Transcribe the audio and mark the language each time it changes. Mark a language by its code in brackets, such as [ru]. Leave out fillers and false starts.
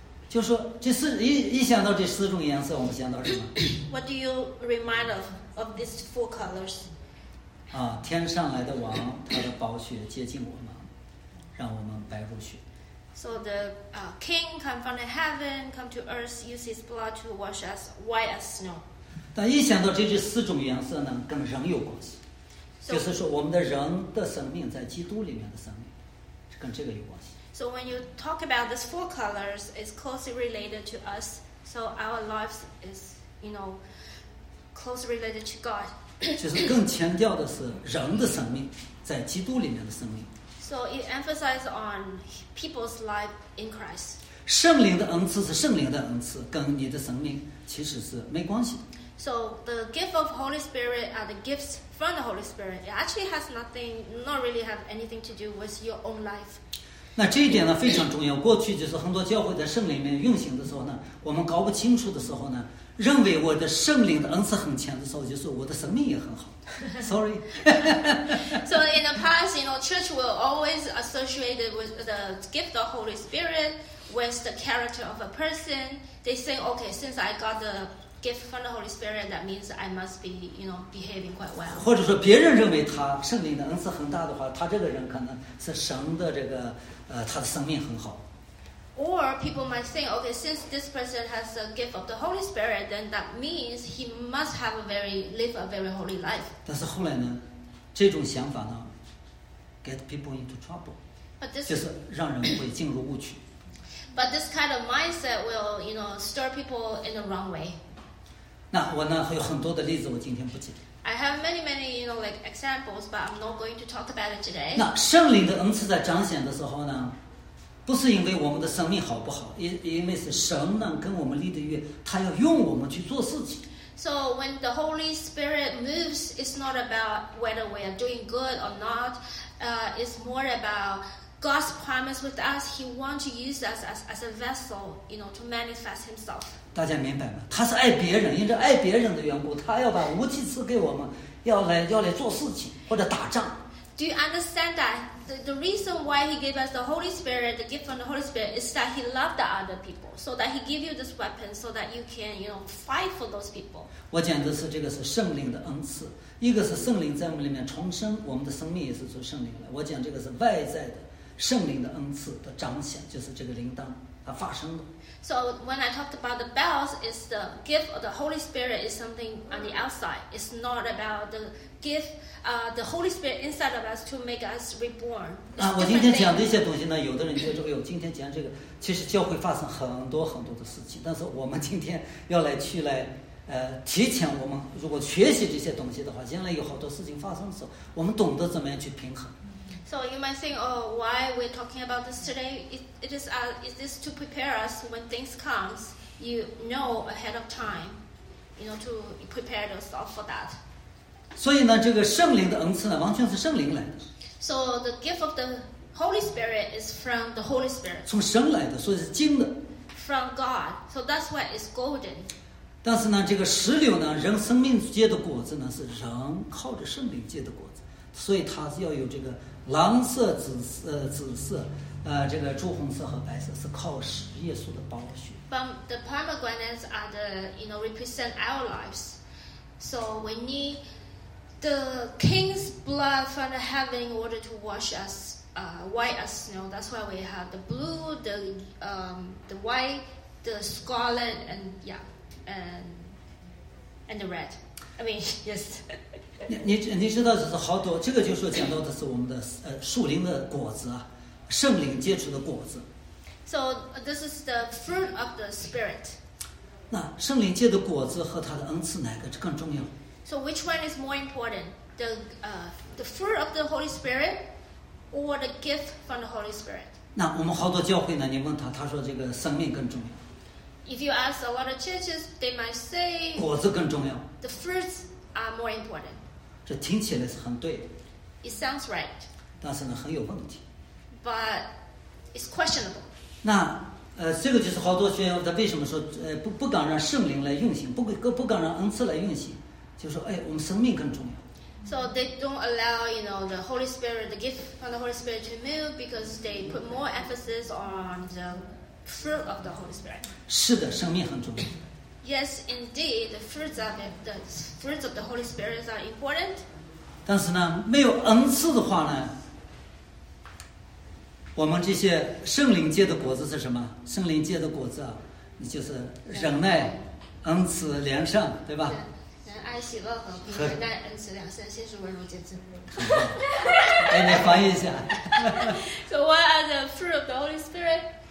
[zh] 就说这四一想到这四种颜色，我们想到什么 [en] ？What do you remind of these four colors? [zh] 天上来的王，他的宝血接近我们，让我们白如雪。 [en] So the king come from the heaven, come to earth, use his blood to wash us white as snow. [zh] 但一想到这四种颜色呢，跟人有关系， so, 就是说我们的人的生命在基督里面的生命，跟这个有关系。 [en] So when you talk about these four colors, it's closely related to us. So our lives is, you know, closely related to God. [zh] 就是更强调的是人的生命在基督里面的生命。 [en] So it emphasizes on people's life in Christ. [zh] 圣灵的恩赐是圣灵的恩赐，跟你的生命其实是没关系的。 [en] So the gift of Holy Spirit are the gifts from the Holy Spirit. It actually has nothing, not really have anything to do with your own life. [zh] 那这一点呢非常重要。过去就是很多教会在圣灵里面运行的时候呢，我们搞不清楚的时候呢。认为我的圣灵的恩赐很强的时候，就是我的生命也很好。 [en] Sorry. So in the past, you know, church will always associated with the gift of Holy Spirit with the character of a person. They say, okay, since I got the gift from the Holy Spirit, that means I must be, you know, behaving quite well. [zh] 或者说，别人认为他圣灵的恩赐很大的话，他这个人可能是神的这个他的生命很好。 [en] Or people might think, okay, since this person has a gift of the Holy Spirit, then that means he must have a very, live a very holy life. [zh] 但是后来呢，这种想法呢， [en] get people into trouble. But this, [zh] 就是让人会进入误区。 [en] But this kind of mindset will, you know, stir people in the wrong way. [zh] 那我呢，还有很多的例子，我今天不讲。 [en] I have many, many, you know, like examples, but I'm not going to talk about it today. [zh] 那圣灵的恩赐在彰显的时候呢，不是因为我们的生命好不好，因为是神呢跟我们立的约，他要用我们去做事情。 [en] So when the Holy Spirit moves, it's not about whether we are doing good or not. It's more about God's promise with us. He wants to use us as a vessel, you know, to manifest Himself. [zh] 大家明白吗？他是爱别人，因着爱别人的缘故，他要把武器赐给我们，要来做事情或者打仗。 [en] Do you understand that the reason why he gave us the Holy Spirit, the gift from the Holy Spirit, is that he loved the other people, so that he gave you this weapon, so that you can, you know, fight for those people. [zh] 我讲的是这个是圣灵的恩赐，一个是圣灵在我们里面重生，我们的生命也是从圣灵来。我讲这个是外在的圣灵的恩赐的彰显，就是这个铃铛它发声了。 [en] So when I talked about the bells, it's the gift of the Holy Spirit is something on the outside. It's not about the gift, the Holy Spirit inside of us to make us reborn. [zh] 啊，我今天讲这些东西呢，有的人觉得，哎呦，今天讲这个，其实教会发生很多很多的事情。但是我们今天要来去来，提前我们如果学习这些东西的话，将来有好多事情发生的时候，我们懂得怎么样去平衡。 [en] So you might think, oh, why we're talking about this today? Is this to prepare us when things come, you know, ahead of time, you know, to prepare yourself for that. [zh] 所以呢，这个圣灵的恩赐呢，完全是圣灵来的。 [en] So the gift of the Holy Spirit is from the Holy Spirit. [zh] 从神来的，所以是金的。 [en] From God, so that's why it's golden. [zh] 但是呢，这个石榴呢，人生命结的果子呢，是人靠着圣灵结的果子，所以它是要有这个。蓝色、紫色，这个朱红色和白色是靠耶稣的宝血。 [en] But the pomegranates are the, you know, represent our lives. So we need the king's blood from the heaven in order to wash us, white as snow. That's why we have the blue, the white, the scarlet, and the red. I mean, yes. [zh] 你知道，就是好多这个，就是讲到的是我们的树林的果子啊，圣灵结出的果子。 [en] So this is the fruit of the spirit. [zh] 那圣灵结的果子和他的恩赐哪个更重要 [en] ？So which one is more important, the fruit of the Holy Spirit or the gift from the Holy Spirit？ [zh] 那我们好多教会呢，你问他，他说这个生命更重要。 [en] If you ask a lot of churches, they might say [zh] 果子更重要。 [en] The fruits are more important. [zh] 这听起来是很对的 [en] ，It sounds right， [zh] 但是呢很有问题 [en] ，But it's questionable。 [zh] 那这个就是好多学员他为什么说不敢让圣灵来运行，不敢让恩赐来运行，就说哎，我们生命更重要。 [en] So they don't allow, you know, the Holy Spirit, the gift from the Holy Spirit to move because they put more emphasis on the fruit of the Holy Spirit。 [zh] 是的，生命很重要。 [en] Yes, indeed, the fruits of the Holy Spirit are important. [zh] 但是呢，没有恩赐的话呢，我们这些圣灵结的果子是什么？圣灵结的果子啊，你就是忍耐、 yeah. 恩赐、良善，对吧？爱、喜、乐、和平、忍耐、恩赐、良善，先是温柔节制。哎，你翻译一下。 [en] So, what are the fruit of the Holy Spirit?